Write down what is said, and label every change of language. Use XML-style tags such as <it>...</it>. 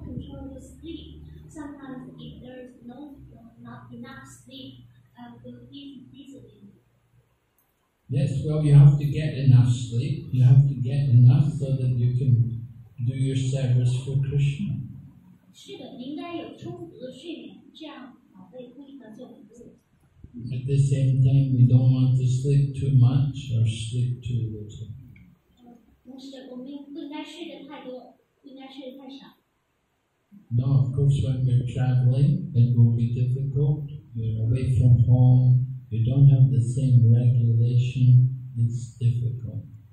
<en>Sometimes if there is not enough sleep, I will eat easily. Yes, well, you have to get enough sleep. You have to get enough so that you can do your service for Krishna.</en> <zh>是的，应该有充足的睡眠，这样宝贝可以做服务。</zh> <en>At the same time, we don't want to sleep too much or sleep too little.</en> <zh>同时，我们不应该睡得太多，不应该睡得太少。</zh> <en>No, of course, when we're traveling, it will be difficult. You're away from home, you don't have the same regulation, it's difficult.</en>